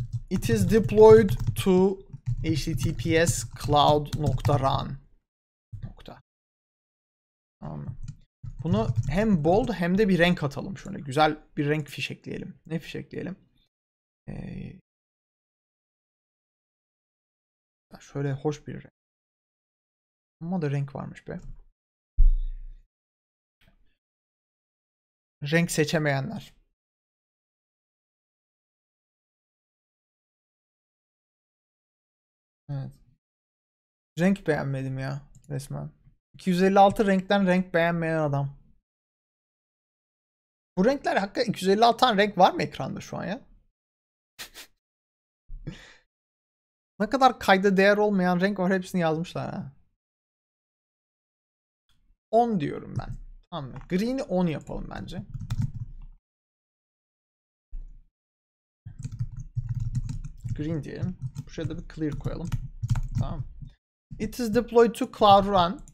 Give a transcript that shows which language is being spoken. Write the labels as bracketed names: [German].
[English] It is deployed to HTTPS cloud.run. [Turkish] Tamam. Bunu hem bold hem de bir renk atalım şöyle. Güzel bir renk fiş ekleyelim. Ne fiş ekleyelim? Şöyle hoş bir renk. Ama da renk varmış be. Renk seçemeyenler. Evet. Renk beğenmedim ya resmen. 256 renkten renk beğenmeyen adam. Bu renkler hakkında 256 tane renk var mı ekranda şu an ya? Ne kadar kayda değer olmayan renk var, hepsini yazmışlar ha. 10 diyorum ben. Tamam mı? Green'i 10 yapalım bence. Green diyelim. Şurada bir clear koyalım. Tamam. [English] It is deployed to Cloud Run.